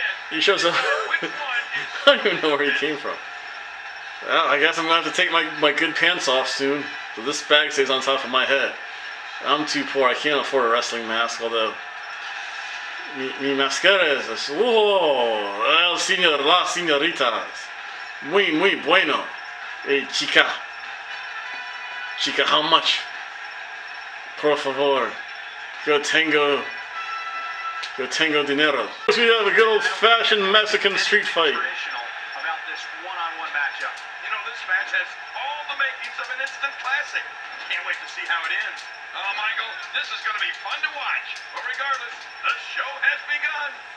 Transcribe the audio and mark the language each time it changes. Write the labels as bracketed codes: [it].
[en] He shows up. I don't even know where he came from. Well, I guess I'm gonna have to take my good pants off soon. But this bag stays on top of my head. I'm too poor, I can't afford a wrestling mask, although. [es] Mi mascara is, whoa, el señor, la señorita, muy, muy bueno, hey, chica, [en] how much, [es] por favor, yo tengo dinero. [en] We have a good old-fashioned Mexican street fight. About this one-on-one matchup, you know, this match has all the makings of an instant classic. Can't wait to see how it ends. Oh, Michael, this is going to be fun to watch. But regardless, the show has begun.